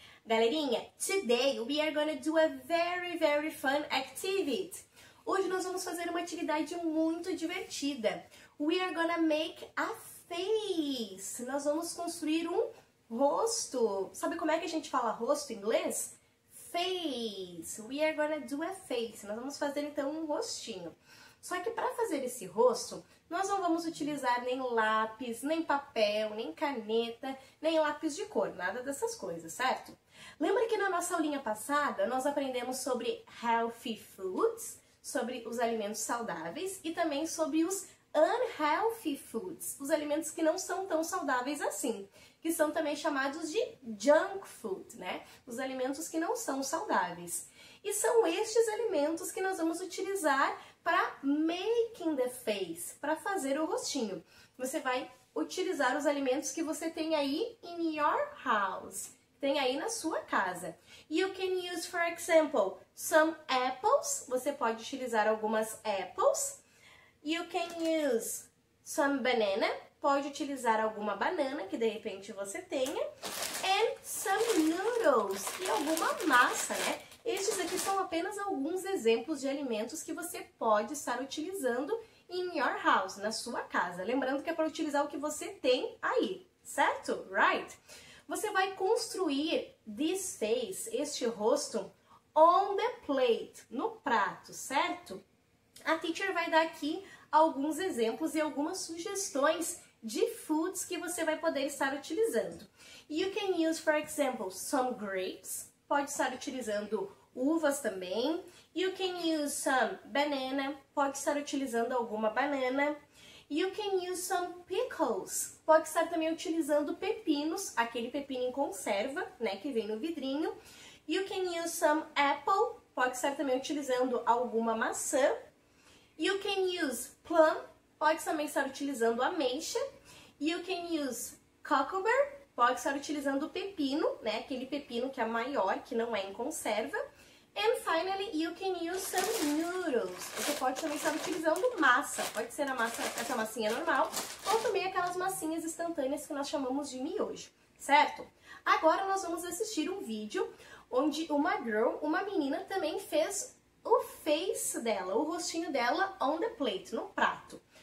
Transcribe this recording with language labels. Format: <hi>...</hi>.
<en>Galerinha, today we are going to do a very, very fun activity.</en> <pt>Hoje nós vamos fazer uma atividade muito divertida.</pt> <en>We are going to make a face.</en> <pt>Nós vamos construir um rosto. Sabe como é que a gente fala rosto em inglês?</pt> <en>Face. We are going to do a face.</en> <pt>Nós vamos fazer então um rostinho. Só que para fazer esse rosto, nós não vamos utilizar nem lápis, nem papel, nem caneta, nem lápis de cor, nada dessas coisas, certo? Lembra que na nossa aulinha passada, nós aprendemos sobre healthy foods, sobre os alimentos saudáveis e também sobre os unhealthy foods, os alimentos que não são tão saudáveis assim, que são também chamados de junk food, né? Os alimentos que não são saudáveis. E são estes alimentos que nós vamos utilizar para</pt> <en>making the face,</en> <pt>para fazer o rostinho. Você vai utilizar os alimentos que você tem aí</pt> <en>in your house,</en> <pt>tem aí na sua casa.</pt> <en>You can use, for example, some apples.</en> <pt>Você pode utilizar algumas apples.</pt> <en>You can use some banana.</en> <pt>Pode utilizar alguma banana que de repente você tenha.</pt> <en>And some noodles.</en> <pt>E alguma massa, né? Estes aqui são apenas alguns exemplos de alimentos que você pode estar utilizando</pt> <en>in your house,</en> <pt>na sua casa. Lembrando que é para utilizar o que você tem aí, certo? Right? Você vai construir</pt> <en>this face,</en> <pt>este rosto,</pt> <en>on the plate,</en> <pt>no prato, certo? A teacher vai dar aqui alguns exemplos e algumas sugestões de foods que você vai poder estar utilizando.</pt> <en>You can use, for example, some grapes.</en> <pt>Pode estar utilizando uvas também.</pt> <en>You can use some banana.</en> <pt>Pode estar utilizando alguma banana.</pt> <en>You can use some pickles.</en> <pt>Pode estar também utilizando pepinos, aquele pepino em conserva, né, que vem no vidrinho.</pt> <en>You can use some apple.</en> <pt>Pode estar também utilizando alguma maçã.</pt> <en>You can use plum.</en> <pt>Pode também estar utilizando ameixa.</pt> <en>You can use cucumber.</en> <pt>Pode estar utilizando pepino, né? Aquele pepino que é maior, que não é em conserva. And finally, you can use some noodles. Você pode também estar utilizando massa. Pode ser a massa, essa massinha normal, ou também aquelas massinhas instantâneas que nós chamamos de miojo, certo? Agora nós vamos assistir um vídeo onde uma girl, uma menina, também fez o face dela, o rostinho dela</pt> <en>on the plate,</en> <pt>no prato.</pt>